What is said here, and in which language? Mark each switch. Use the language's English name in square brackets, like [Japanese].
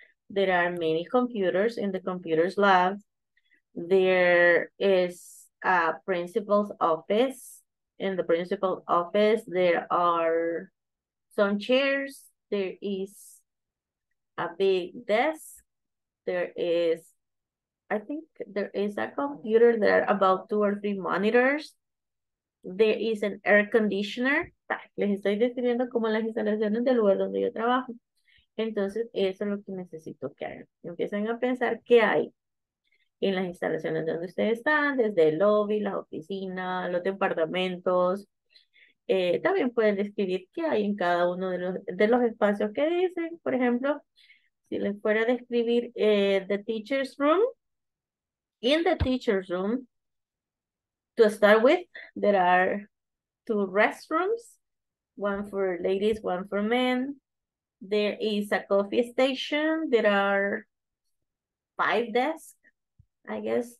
[English] There are many computers in the computers lab. There is a principal's office. In the principal's office, there are some chairs. There is a big desk. There is, I think there is a computer. There are about two or three monitors. There is an air conditioner. [Spanish] Les estoy describiendo como las instalaciones del lugar donde yo trabajo. Entonces, eso es lo que necesito que hagan. Empiecen a pensar qué hay en las instalaciones donde ustedes están, desde el lobby, las oficinas, los departamentos. También pueden describir qué hay en cada uno de los espacios que dicen. Por ejemplo, si les fuera a describir [English] the teacher's room. In the teacher's room, to start with, there are two restrooms, one for ladies, one for men. There is a coffee station. There are five desks, I guess.